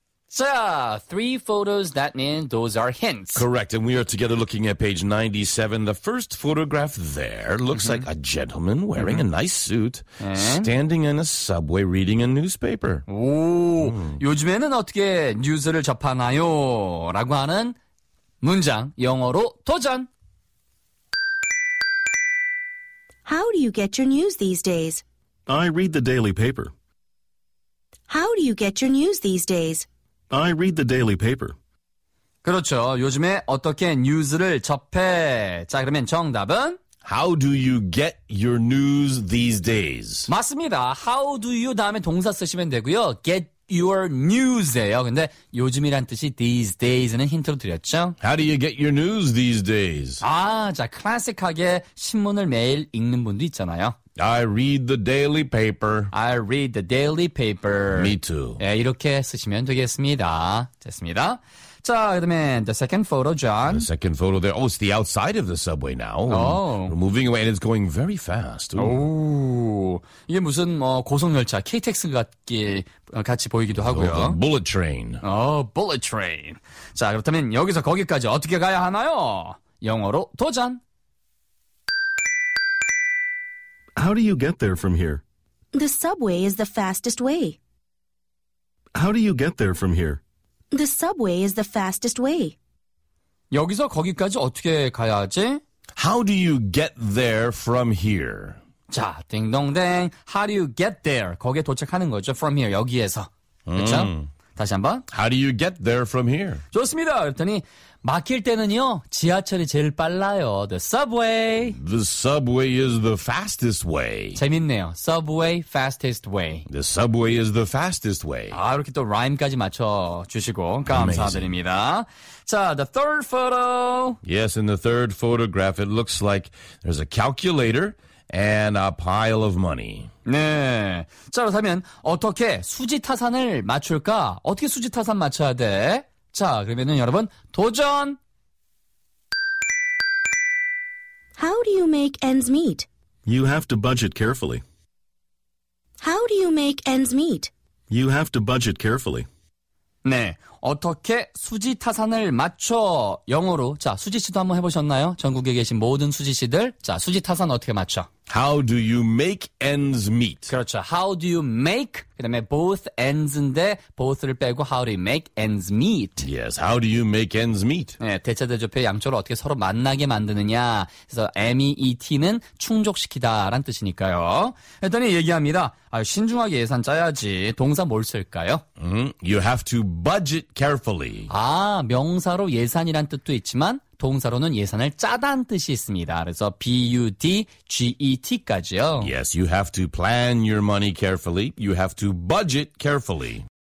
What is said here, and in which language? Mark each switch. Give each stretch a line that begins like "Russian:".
English: So, three photos, that means those are hints. Correct, and we are together looking at page 97. The first photograph there looks mm-hmm. like a gentleman wearing mm-hmm. a nice suit, and? Standing in a subway reading a newspaper.
Korean: 오, 요즘에는 어떻게 뉴스를 접하나요? 라고 하는 문장, 영어로 도전!
English: How do you get your news these days? I read the daily paper. How do you get your news these days? I read the daily paper.
Korean: 그렇죠. 요즘에 어떻게 뉴스를 접해? 자, 그러면 정답은?
English: How do you get your news these days?
Korean: 맞습니다.
English: How do you
Korean: 다음에 동사 쓰시면 되고요.
English: Get your news예요.
Korean: 근데 요즘이란 뜻이 these days는 힌트로 드렸죠.
English: How do you get your news these days?
Korean: 아, 자, 클래식하게 신문을 매일 읽는 분도 있잖아요.
English: I read the daily paper. I read the daily paper. Me too.
Korean: 예, 이렇게 쓰시면 되겠습니다. 됐습니다. 자, 그다음에
English: the second photo, John. The second photo there. Oh, it's the outside of the subway now. Oh. We're moving away and it's going very fast. Ooh.
Korean: 이게 무슨 뭐 고속열차, KTX 같이 보이기도 하고요.
English: Oh, bullet train. Oh, bullet train.
Korean: 자, 그렇다면 여기서 거기까지 어떻게 가야 하나요? 영어로 도전.
English: How do you get there from here? The subway is the fastest way. How do you get there from here? The subway is the fastest way.
Korean: 여기서 거기까지 어떻게 가야지?
English: How do you get there from here?
Korean: 자, 딩동댕.
English: How do you get there?
Korean: 거기에 도착하는 거죠.
English: From here,
Korean: 여기에서. 그렇죠? 다시 한번.
English: How do you get there from here?
Korean: 좋습니다. 그랬더니 막힐 때는요, 지하철이 제일 빨라요.
English: The subway. The subway is the fastest way.
Korean: 재밌네요.
English: Subway, fastest way. The subway is the fastest way.
Korean: 아, 이렇게 또 rhyme까지 맞춰주시고 감사드립니다.
English: Amazing. 자, the third photo. Yes, in the third photograph, it looks like there's a calculator and a pile of money.
Korean: 네. 자, 그렇다면 어떻게 수지타산을 맞출까? 어떻게 수지타산 맞춰야 돼? 자, 그러면은 여러분 도전.
English: How do you make ends meet? You have to budget carefully. How do you make ends meet? You have to budget carefully.
Korean: 네. 어떻게 수지타산을 맞춰? 영어로. 자, 수지 씨도 한번 해 보셨나요? 전국에 계신 모든 수지 씨들. 자, 수지타산 어떻게 맞춰?
English: How do you make ends meet?
Korean: 그렇죠.
English: How do you make?
Korean: 그 다음에 both ends인데 both를 빼고
English: how do you make ends meet? Yes, how do you make ends meet?
Korean: 네, 대체대조표의 양쪽을 어떻게 서로 만나게 만드느냐. 그래서 meet는 충족시키다라는 뜻이니까요. 했더니 얘기합니다. 아, 신중하게 예산 짜야지. 동사 뭘 쓸까요?
English: You have to budget carefully.
Korean: 아, 명사로 예산이란 뜻도 있지만 동사로는 예산을 짜다는 뜻이 있습니다. 그래서 budget까지요.
English: Yes, you have to plan your money carefully. You have to budget carefully.